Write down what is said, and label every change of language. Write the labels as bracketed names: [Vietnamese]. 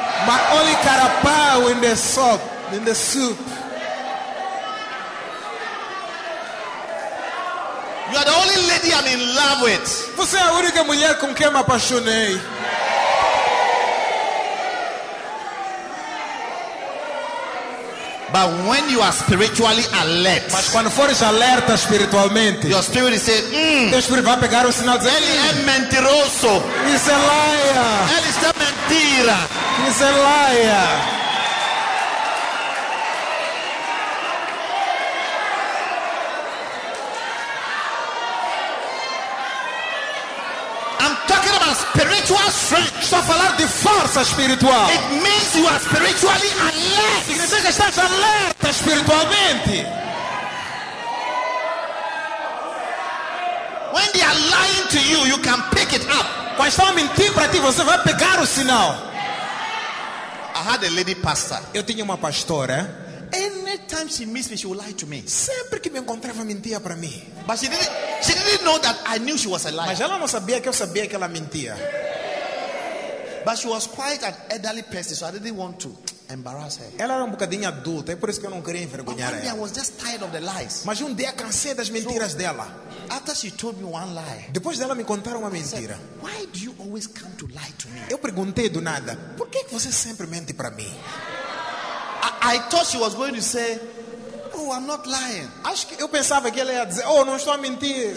[English] My only carapau in the soup, in the soup. You are the only lady I'm in love with. [Portuguese] Você é a única mulher com quem me apaixonei. [English] But when you are spiritually alert, [Portuguese] mas quando fores alerta espiritualmente, [English] your spirit is saying, [Portuguese] teu espírito vai pegar o sinal de ele é mentiroso. [English] He's a liar. [Portuguese] Ele está mentira. [English] He's a liar. Spiritual strength. [Portuguese] Estou a falar de força espiritual. [English] It means you are spiritually alert. [Portuguese] Significa que estás alerta espiritualmente. [English] When they are lying to you, you can pick it up. [Portuguese] Quando estão mentindo para ti, você vai pegar o sinal. [English] I had a lady pastor. [Portuguese] Eu tinha uma pastora. [English] Anytime she missed me, she would lie to me. [Portuguese] Sempre que me encontrava, mentia para mim. [English] But she didn't know that I knew she was a liar. [Portuguese] Mas ela não sabia que eu sabia que ela mentia. [English] But she was quite an elderly person, so I didn't want to embarrass her. [Portuguese] Ela era um bocadinho adulta, é por isso que eu não queria envergonhar [English] ela. I was just tired of the lies. [Portuguese] Mas dia cansei das mentiras dela. [English] After she told me one lie. [Portuguese] Depois dela me contar uma mentira. [English] Said, why do you always come to lie to me? [Portuguese] Eu perguntei do nada. Por que você sempre mente para mim? [English] I thought she was going to say, oh, I'm not lying. [Portuguese] Acho que eu pensava que ela ia dizer, oh, não estou a mentir.